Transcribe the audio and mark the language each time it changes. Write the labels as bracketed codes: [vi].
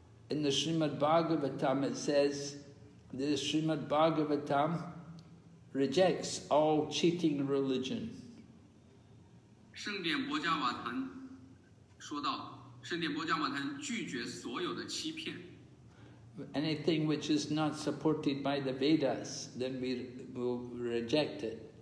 [en] In the Srimad Bhagavatam, it says, the Srimad Bhagavatam rejects all cheating religion. [zh] 圣殿波迦瓦坛拒绝所有的欺骗。 [en] Anything which is not supported by the Vedas, then we will reject it.